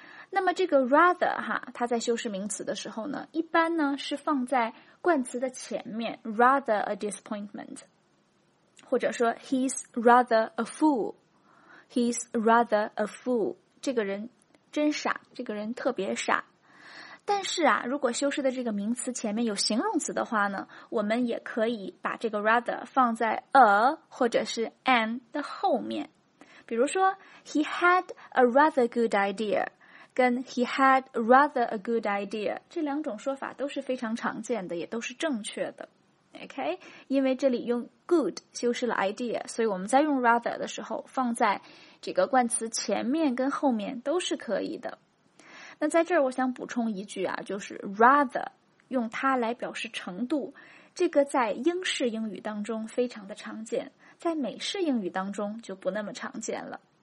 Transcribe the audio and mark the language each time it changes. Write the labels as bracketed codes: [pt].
[zh] 那么这个 rather 哈，它在修饰名词的时候呢，一般呢是放在冠词的前面 , [en] rather a disappointment, [zh] 或者说 [en] he's rather a fool, He's rather a fool. [zh] 这个人真傻，这个人特别傻。但是啊，如果修饰的这个名词前面有形容词的话呢，我们也可以把这个 rather 放在 a 或者是 an 的后面。比如说 , [en] he had a rather good idea, [zh] 跟 [en] he had rather a good idea, [zh] 这两种说法都是非常常见的，也都是正确的。 [en] OK? [zh] 因为这里用 good 修饰了 idea, 所以我们在用 rather 的时候放在这个冠词前面跟后面都是可以的。那在这儿我想补充一句啊，就是 rather 用它来表示程度，这个在英式英语当中非常的常见，在美式英语当中就不那么常见了。